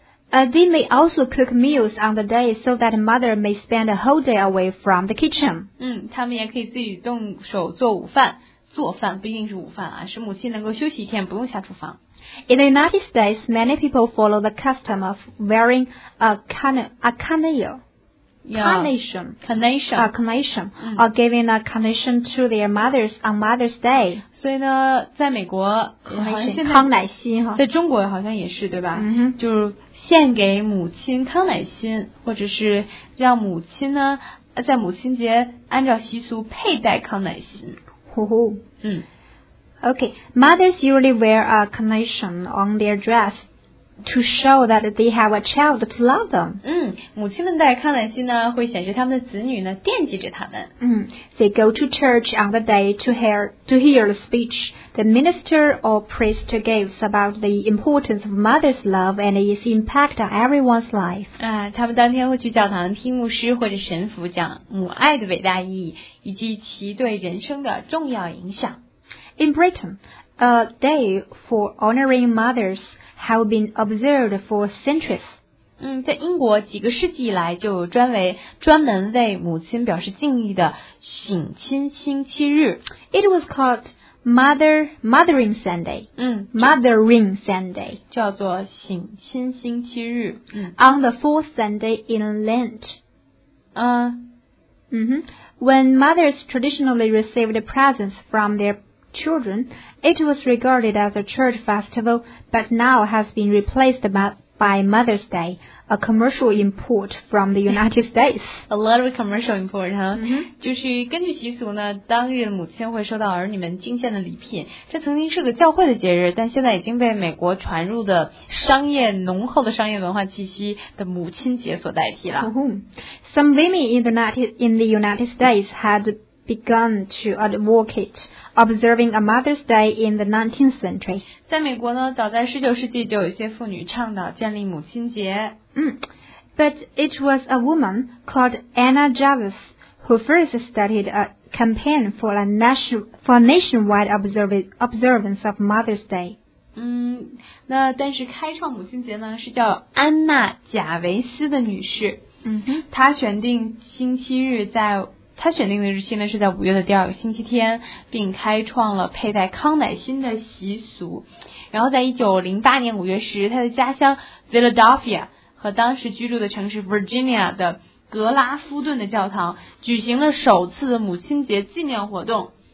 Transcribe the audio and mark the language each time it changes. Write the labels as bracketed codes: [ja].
[en] They may also cook meals on the day so that mother may spend a whole day away from the kitchen. [zh] 他们也可以自己动手做午饭。做饭不一定是午饭啊，使母亲能够休息一天，不用下厨房。 [en] In the United States, many people follow the custom of wearing a carnation. Carnation, or giving a carnation to their mothers on Mother's Day. [zh] 所以呢，在美国，康乃馨哈，在中国好像也是对吧？就是献给母亲康乃馨，或者是让母亲呢，在母亲节按照习俗佩戴康乃馨。 [en] Okay, mothers usually wear a carnation on their dress. To show that they have a child to love them. [zh] 母亲们戴康乃馨呢，会显示他们的子女呢惦记着他们。 [en] They go to church on the day to hear the speech the minister or priest gives about the importance of mother's love and its impact on everyone's life. [zh] 他们当天会去教堂听牧师或者神父讲母爱的伟大意义以及其对人生的重要影响。 [en] In Britain, a day for honoring mothers. Have been observed for centuries. [zh] 在英国几个世纪以来就有专门为母亲表示敬意的省亲星期日。 [en] It was called Mothering Sunday. Mothering Sunday. [zh] 叫做省亲星期日。 [en] On the fourth Sunday in Lent. When mothers traditionally received presents from their children, it was regarded as a church festival, but now has been replaced by Mother's Day, a commercial import from the United States. A lot of commercial import, huh? [zh] 就是根据习俗呢，当日母亲会收到儿女们敬献的礼品。这曾经是个教会的节日，但现在已经被美国传入的商业浓厚的商业文化气息的母亲节所代替了。 [en] Some women in the United States had begun to advocate. Observing a Mother's Day in the 19th century. [zh] 在美国呢，早在19世纪就有一些妇女倡导建立母亲节。 [en] But it was a woman called Anna Jarvis who first started a campaign for nationwide observance of Mother's Day. [zh] 那但是开创母亲节呢，是叫安娜·贾维斯的女士。她选定星期日在。他选定的日期呢是在五月的第二个星期天，并开创了佩戴康乃馨的习俗。然后在1908年五月十日，他的家乡 Philadelphia 和当时居住的城市 Virginia 的格拉夫顿的教堂举行了首次的母亲节纪念活动。